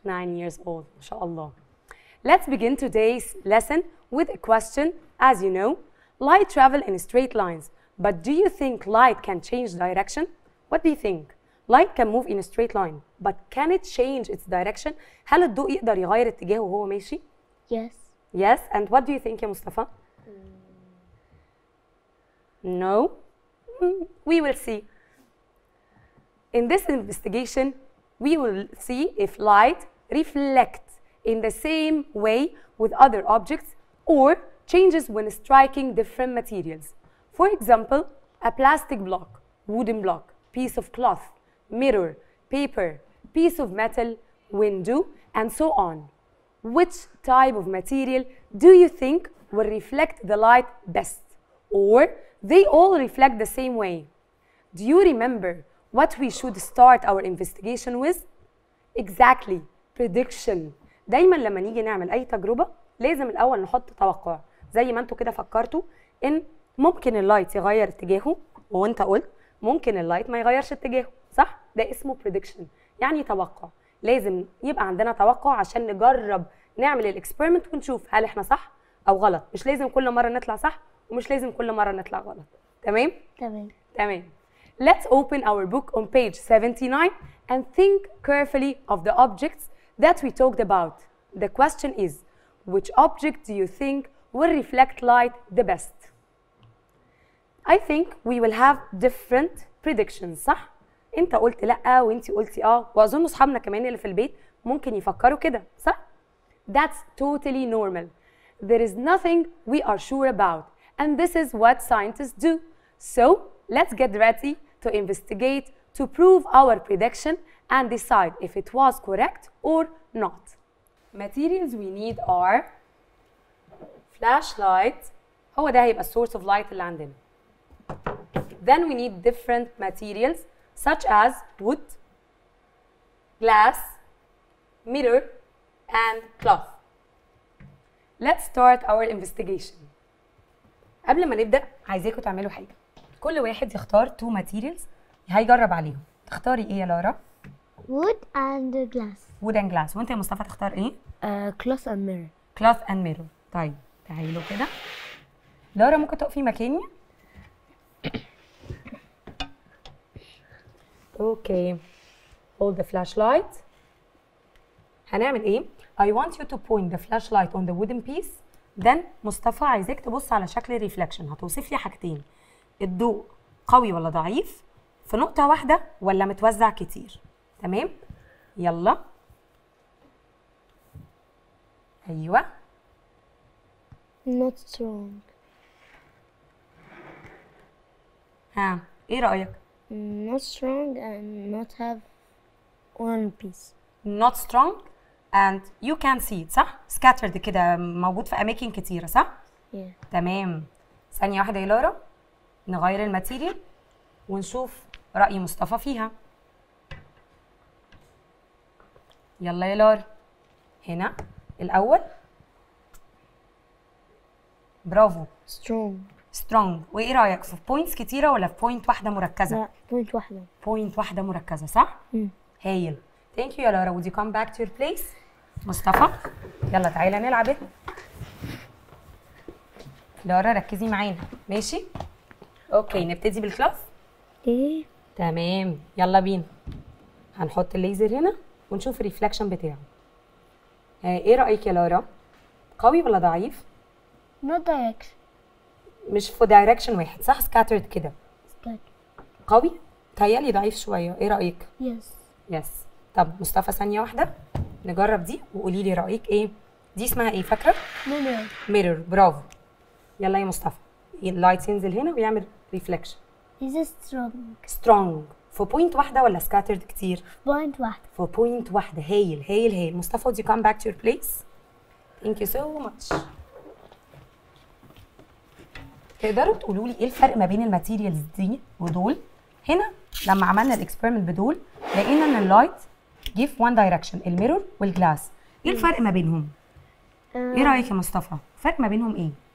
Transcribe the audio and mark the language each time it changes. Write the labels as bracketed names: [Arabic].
[English] 9 years old, mashallah. Let's begin today's lesson with a question. As you know, light travel in straight lines. But do you think light can change direction? What do you think? Light can move in a straight line, but can it change its direction? [Arabic] هل الضوء يقدر يغير اتجاهه وهو ماشي؟ [English] Yes. Yes, and what do you think, Mustafa? No? We will see. In this investigation, we will see if light reflects in the same way with other objects or changes when striking different materials. For example, a plastic block, wooden block, piece of cloth, mirror, paper, piece of metal, window, and so on. Which type of material do you think will reflect the light best? Or they all reflect the same way? Do you remember what we should start our investigation with? Exactly, prediction. [Arabic] دايما لما نيجي نعمل اي تجربة لازم الاول نحط توقع. زي ما انتوا كده فكرتوا ان ممكن اللايت يغير اتجاهه وانت قلت ممكن اللايت ما يغيرش اتجاهه. صح؟ ده اسمه prediction يعني توقع. لازم يبقى عندنا توقع عشان نجرب نعمل الاكسبيرمنت ونشوف هل احنا صح او غلط. مش لازم كل مره نطلع صح ومش لازم كل مره نطلع غلط. تمام؟ تمام. تمام. [English] Let's open our book on page 79 and think carefully of the objects that we talked about. The question is which object do you think will reflect light the best? I think we will have different predictions. [Arabic] صح؟ انت قلت لا وانت قلتي اه واظن اصحابنا كمان اللي في البيت ممكن يفكروا كده. صح؟ [English] That's totally normal. There is nothing we are sure about and this is what scientists do. So let's get ready to investigate to prove our prediction and decide if it was correct or not. Materials we need are flashlight. [Arabic] هو ده هيبقى [English] source of light [Arabic] اللي عندنا. [English] Then we need different materials such as wood, glass, mirror, and cloth. Let's start our investigation. [Arabic] قبل ما نبدأ عايزاكم تعملوا حاجة. كل واحد يختار [English] two materials [Arabic] هيجرب عليهم. تختاري ايه يا لارا؟ [English] Wood and glass. Wood and glass. [Arabic] وانت يا مصطفى تختار ايه؟ [English] Cloth and mirror. Cloth and mirror. [Arabic] طيب تعالوا كده. لارا ممكن تقفي مكاني؟ [English] Okay, hold the flashlight. [Arabic] هنعمل ايه؟ [English] I want you to point the flashlight on the wooden piece. [Arabic] Then مصطفى عايزك تبص على شكل الريفلكشن. هتوصف لي حاجتين. الضوء قوي ولا ضعيف؟ في نقطة واحدة ولا متوزع كتير؟ تمام؟ يلا. أيوة. [English] Not strong. [Arabic] ها، إيه رأيك؟ [English] Not strong and not have one piece. Not strong and you can see it, [Arabic] صح؟ scattered كده موجود في أماكن كتيرة صح؟ [English] yeah. [Arabic] تمام. ثانية واحدة يا لورا نغير الماتيريال ونشوف رأي مصطفى فيها. يلا يا لورا هنا الأول. برافو. [English] strong. strong. [Arabic] وإيه رأيك في points كتيرة ولا في point واحدة مركزة؟ لا point واحدة. point واحدة مركزة صح؟ هايل. [English] Thank you [Arabic] يا لورا. [English] Would you come back to your place؟ [Arabic] مصطفى يلا تعالى نلعب. لورا ركزي معانا ماشي؟ اوكي نبتدي بالكلاس؟ ايه تمام يلا بينا. هنحط الليزر هنا ونشوف الريفلكشن بتاعه. ايه رأيك يا لورا؟ قوي ولا ضعيف؟ [English] No direction. [Arabic] مش في دايركشن واحد صح؟ سكاترد كده. [English] Scattered. [Arabic] قوي؟ تهيألي ضعيف شوية. ايه رأيك؟ [English] Yes. Yes. [Arabic] طب مصطفى ثانية واحدة نجرب دي وقولي لي رأيك ايه؟ دي اسمها ايه فاكرة؟ [English] Mirror. [Arabic] ميرور برافو. يلا يا مصطفى. اللايت ينزل هنا ويعمل ريفلكشن. [English] Is strong. Strong. [Arabic] في بوينت واحدة ولا scattered كتير؟ بوينت واحدة. في بوينت واحدة. هايل هايل هايل. [English] مصطفى would you come back to your place؟ Thank you so much. [Arabic] تقدروا تقولوا لي ايه الفرق ما بين الماتيريالز دي ودول؟ هنا لما عملنا الاكسبيرمنت بدول لقينا ان اللايت جه في [English] one direction [Arabic] الميرور والجلاس. ايه الفرق ما بينهم؟ ايه رايك يا مصطفى؟ الفرق ما بينهم ايه؟